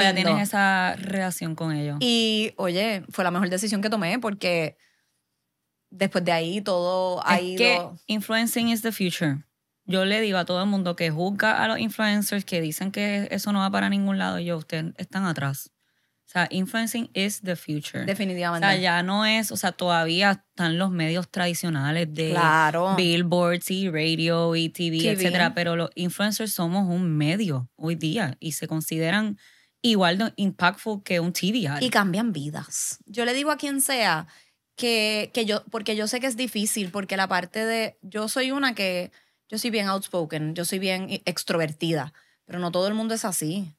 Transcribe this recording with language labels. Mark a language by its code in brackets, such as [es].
[es] Y todavía tienes esa relación con ellos. Y, oye, fue la mejor decisión que tomé porque después de ahí todo ha ido... Es que [en] influencing is the future. [es] Yo le digo a todo el mundo que juzga a los influencers que dicen que eso no va para ningún lado. Y yo, ustedes están atrás. O sea, [en] influencing is the future. [es] Definitivamente. O sea, ya no es, o sea, todavía están los medios tradicionales de claro. Billboards y radio y TV, etcétera. Pero los influencers somos un medio hoy día y se consideran igual de impactful que un TV. Y cambian vidas. Yo le digo a quien sea que yo, porque yo sé que es difícil, porque la parte de, yo soy bien outspoken, yo soy bien extrovertida, pero no todo el mundo es así.